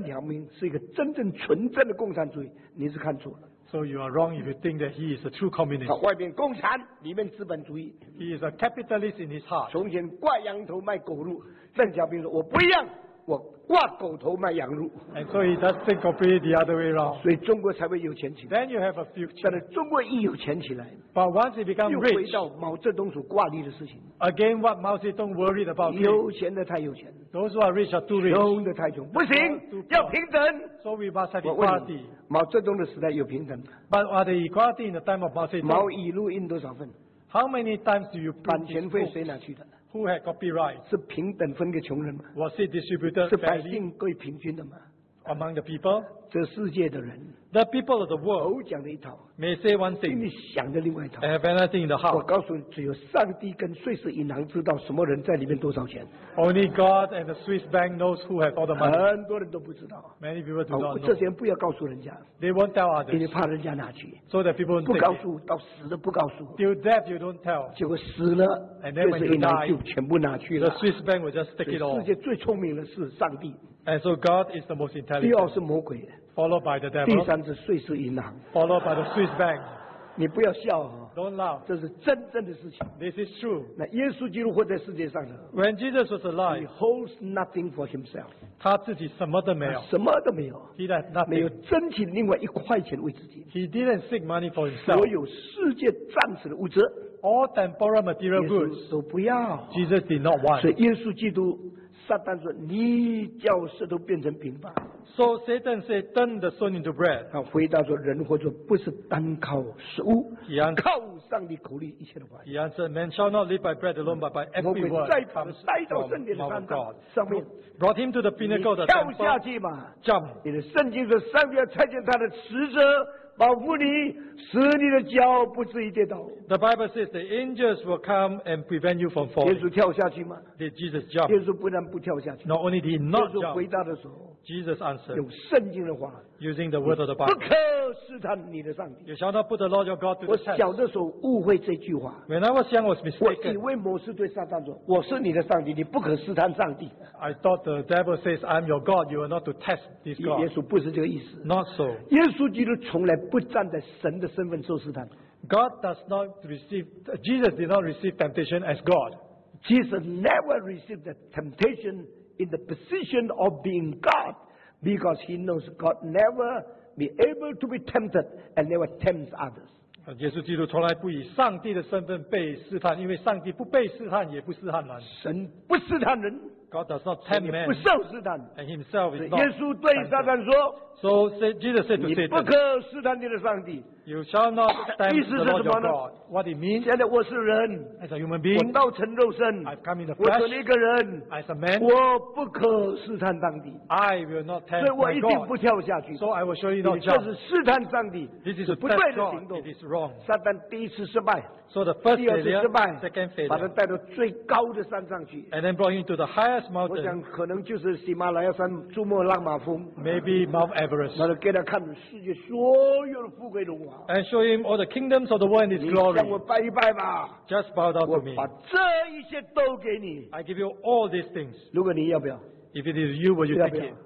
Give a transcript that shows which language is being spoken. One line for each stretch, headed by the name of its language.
Chinese: 如果你以为共产党就像邓小平是一个真正纯正的共产主义, 你是看错了,
English: so you are wrong if you think that he is a true communist.
Chinese: 外面共产, 里面资本主义,
English: he is a capitalist in his heart.
Chinese: 从前挂羊头卖狗肉, 邓小平说, 我不一样, 我挂狗头卖羊肉,
English: and so he does think completely the other way around.
Chinese: 所以中国才会有前景,
English: then you have a future.
Chinese: 但是中国一有钱起来,
English: but once it becomes rich,
Chinese: 又回到毛泽东所挂虑的事情,
English: again what Mao Zedong worried about,
Chinese: 有钱的太有钱,
English: those who are rich are too rich,
Chinese: 穷的太穷, 不行, 要平等,
English: so we must have equality.
Chinese: 毛泽东的时代有平等,
English: but are they equality in the time of Mao Zedong?
Chinese: 毛一路印多少份,
English: how many times do you print his
Chinese: books? 版权费谁拿去的?
English: Who had copyright?
Chinese: 是平等分给穷人吗?
English: Was it distributed?
Chinese: 是百姓归平均的吗?
English: Among the people?
Chinese: 这世界的人,
English: the people of the world,
Chinese: 口讲的一套,
English: may say one thing,
Chinese: 心里想的另外一套,
English: and have anything in the heart.
Chinese: 我告诉你, 只有上帝跟瑞士银行知道什么人在里面多少钱,
English: only God and the Swiss bank knows who have all the money.
Chinese: 很多人都不知道,
English: many people do not know.
Chinese: 这些人不要告诉人家,
English: they won't tell others,
Chinese: 因为怕人家拿去,
English: so that people don't take it.
Chinese: 不告诉, 到死了不告诉,
English: till death you don't tell.
Chinese: 结果死了,
English: and then when you die,
Chinese: 瑞士银行就全部拿去了,
English: the Swiss bank will just take it all.
Chinese: 世界最聪明的是上帝,
English: and so God is the most intelligent.
Chinese: 第二是魔鬼,
English: followed by the devil.
Chinese: 第三是瑞士银行,
English: followed by the Swiss bank.
Chinese: 你不要笑,
English: don't laugh.
Chinese: 这是真正的事情,
English: this is true.
Chinese: 那耶稣基督活在世界上的,
English: when Jesus was alive, he holds nothing for himself.
Chinese: 他自己什么都没有, 什么都没有,
English: he had nothing.
Chinese: 没有争取另外一块钱为自己,
English: he didn't seek money for himself.
Chinese: 所有世界暂时的物质,
English: all temporal material goods,
Chinese: 都不要,
English: Jesus did not want.
Chinese: 所以耶稣基督, 撒旦说, 你叫石头变成饼吧,
English: so Satan said, turn the stone into bread.
Chinese: 他回答说, 人活着不是单靠食物,
English: he answered,
Chinese: 靠上帝口里一切的话,
English: he answered, man shall not live by bread alone, but by every word comes from our God.
Chinese: 上面,
English: brought him to the pinnacle,
Chinese: 你跳下去嘛,
English: the temple, jump.
Chinese: 你的圣经说, 上帝要拆解他的使者, 保护你, 使你的脚不至于跌倒,
English: the Bible says the angels will come and prevent you from falling.
Chinese: 耶稣跳下去吗?
English: Did Jesus jump?
Chinese: 耶稣不但不跳下去,
English: not only did he not jump,
Chinese: 耶稣回答的时候,
English: Jesus answered,
Chinese: 用圣经的话,
English: using the word of the Bible,
Chinese: 不可试探你的上帝,
English: you shall not put the Lord your God to the test.
Chinese: 我小的时候误会这句话,
English: when I was young, I was mistaken.
Chinese: 我以为某事对撒旦说, 我是你的上帝, 你不可试探上帝,
English: I thought the devil says, I'm your God, you are not to test this God.
Chinese: 耶稣不是这个意思,
English: not so.
Chinese: 耶稣基督从来不站在神的身份受试探,
English: God does not receive, Jesus did not receive temptation as God. Jesus never received the temptation in the position of being God, because he knows God never be able to be tempted and never tempts others.
Chinese: 耶稣基督从来不以上帝的身份被试探, 因为上帝不被试探也不试探人, 神不试探人,
English: God does not tempt man,
Chinese: 也不受试探,
English: and himself is not.
Chinese: 耶稣对撒旦说,
English: so Jesus said to Satan,
Chinese: 你不可试探你的上帝,
English: you shall not tempt the Lord your God. What it means,
Chinese: 现在我是人,
English: as a human being,
Chinese: 我道成肉身,
English: I've come in the flesh,
Chinese: 我成一个人,
English: as a man,
Chinese: 我不可试探上帝,
English: I will not tempt my God,
Chinese: 所以我一定不跳下去,
English: so I will surely not jump.
Chinese: 这是试探上帝,
English: this is a test God, it is wrong.
Chinese: 撒旦第一次失败,
English: so the first failure,
Chinese: 第二次失败,
English: second failure,
Chinese: 把他带到最高的山上去,
English: and then brought him to the highest mountain.
Chinese: 我想可能就是喜马拉雅山, 珠穆朗玛峰,
English: maybe Mount Everest.
Chinese: 那给他看世界所有的富贵荣华,
English: and show him all the kingdoms of the world and his glory.
Chinese: 你向我拜一拜吧,
English: just bow down to me.
Chinese: 我把这一切都给你,
English: I give you all these things.
Chinese: 如果你要不要,
English: If it is you, will you take it?